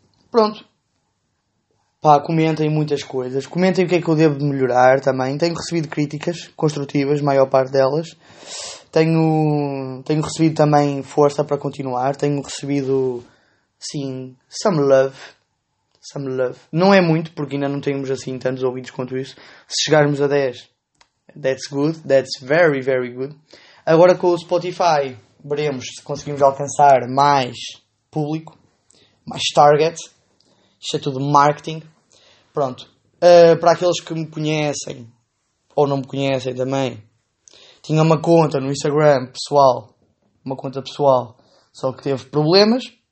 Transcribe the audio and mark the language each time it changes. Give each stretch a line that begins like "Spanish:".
Portuguese: Pronto, pá, comentem muitas coisas, comentem o que é que eu devo melhorar também. Tenho recebido críticas construtivas, maior parte delas. Tenho recebido também força para continuar. Tenho recebido, sim,
English: some love.
Portuguese: Não é muito, porque ainda não temos assim tantos ouvidos quanto isso. Se chegarmos a 10,
English: that's good, that's very, very good.
Portuguese: Agora com o Spotify, veremos se conseguimos alcançar mais público. Mais target, isto é tudo marketing. Pronto, para aqueles que me conhecem, ou não me conhecem também, tinha uma conta no Instagram pessoal, uma conta pessoal, só que teve problemas.